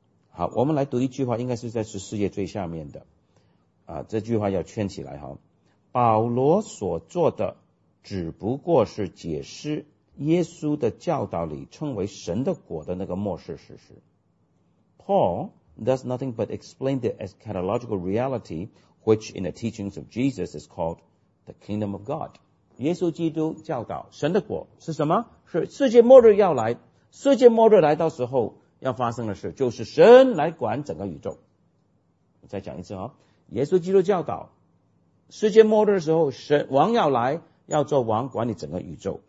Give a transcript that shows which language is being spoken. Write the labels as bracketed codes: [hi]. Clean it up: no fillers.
[zh] 好，我们来读一句话，应该是在十四页最下面的这句话要圈起来。保罗所做的只不过是解释耶稣的教导里称为神的果的那个末世事实。 [en] Paul does nothing but explain the eschatological reality which in the teachings of Jesus is called the kingdom of God。 [zh] 耶稣基督教导神的果是什么？是世界末日要来，世界末日来到时候要发生的事，就是神来管整个宇宙。我再讲一次耶稣基督教导世界末日的时候，神王要来，要做王管理整个宇宙。